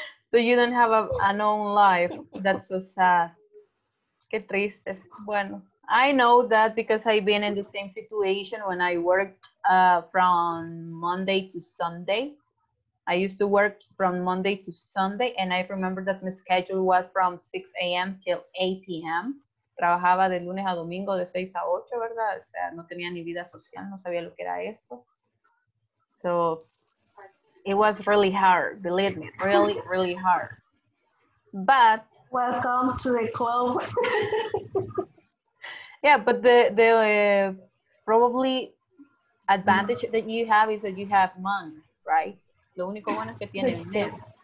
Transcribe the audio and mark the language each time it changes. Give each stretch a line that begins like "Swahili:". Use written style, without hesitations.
English: So you don't have an own life. That's so sad.
Spanish: Qué triste.
English: Bueno, I know that because I've been in the same situation when I worked from Monday to Sunday. I used to work from Monday to Sunday, and I remember that my schedule was from 6 a.m. till 8 p.m.
Spanish: Trabajaba de lunes a domingo de 6 a 8, ¿verdad? O sea, no tenía ni vida social, no sabía lo que era eso.
English: So, it was really hard, believe me, really, really hard. But... Welcome to the club. Yeah, but the probably advantage that you have is that you have money, right?
Spanish: Lo único bueno es que tiene dinero.